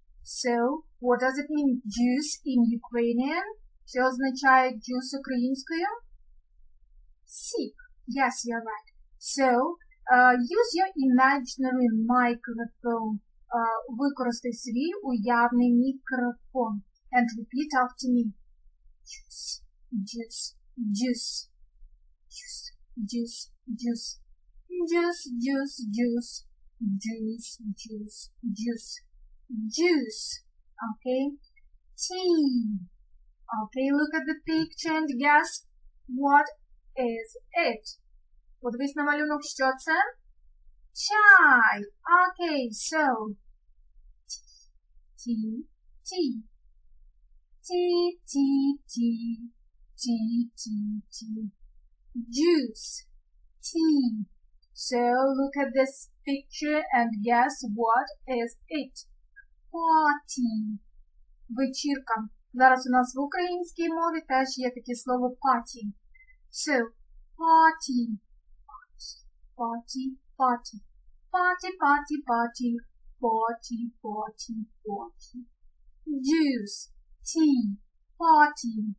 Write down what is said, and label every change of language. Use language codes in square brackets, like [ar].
[en] So, what does it mean juice in Ukrainian? [uk] Що означає juice українською? [en] Sip. Yes, you're right. So, use your imaginary microphone. [uk] Використай свій уявний мікрофон. [en] And repeat after me. Juice. Okay. Tea. Okay, look at the picture and guess what is it? [uk] Подивись на малюнок, що це? Чай. [en] Okay, so. Tea. Tea. Tea, tea, tea, tea, tea, tea. Juice. Tea. So, look at this picture and guess what is it? Party. [uk] Вечірка. Зараз у нас в українській мові теж є таке слово party. [en] So, party. Party, party, party, party, party, party, party, party, juice, tea, party.